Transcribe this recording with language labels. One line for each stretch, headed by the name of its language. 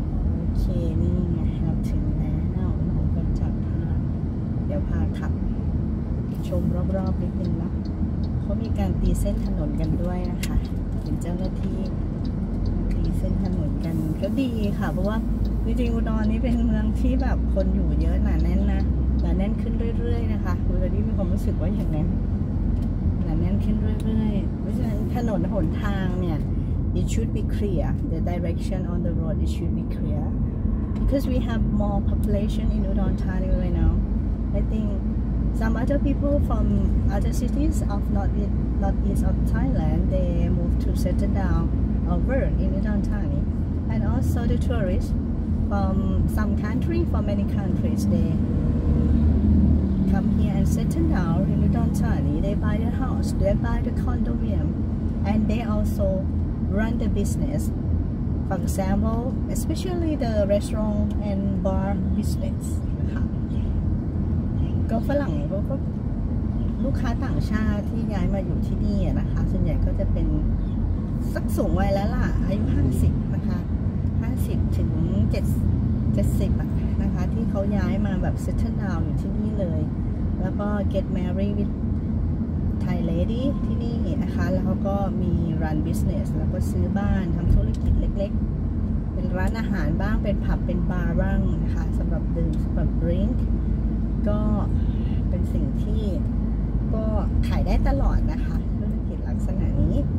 Thai: โอเคนี่ไงครับถึงแล้วเราก็จะพาเดี๋ยวพาขับชมรอบๆนิดนึงนะเขามีการตีเส้นถนนกันด้วยนะคะเห็นเจ้าหน้าที่ตีเส้นถนนกันก็ดีค่ะเพราะว่าจริงๆอุดรนี่เป็นเมืองที่แบบคนอยู่เยอะหนาแน่นนะหนาแน่นขึ้นเรื่อยๆนะคะคุณตอนนี้มีความรู้สึกว่าอย่างนั้นหนาแน่นขึ้นเรื่อยๆเพราะฉะนั้นถนนหนทางเนี่ย
English: It should be clear. The direction on the road, it should be clear. Because we have more population in Udon Thani right now. I think some other people from other cities of northeast of Thailand, they moved to settle down or work in Udon Thani. And also the tourists from some country, from many countries, they come here and settle down in Udon Thani. They buy the house, they buy the condominium, and they also... run the business, for example, especially the restaurant and bar business.
Thai: ก็ฝรั่งก็ลูกค้าต่างชาติที่ย้ายมาอยู่ที่นี่นะคะส่วนใหญ่ก็จะเป็นสักสูงวัยแล้วล่ะอายุ50นะคะ50ถึง 70นะคะที่เขาย้ายมาแบบ settle down อยู่ที่นี่เลยแล้วก็
English: get married withThai lady
Thai: ที่นี่นะคะแล้วเขาก็มี
English: run business
Thai: แล้วก็ซื้อบ้านทำธุรกิจเล็กๆ เป็นร้านอาหารบ้างเป็นผับเป็นบาร์บ้างนะคะสำหรับดื่มสำหรับ drink ก็เป็นสิ่งที่ก็ขายได้ตลอดนะคะธุรกิจลักษณะนี้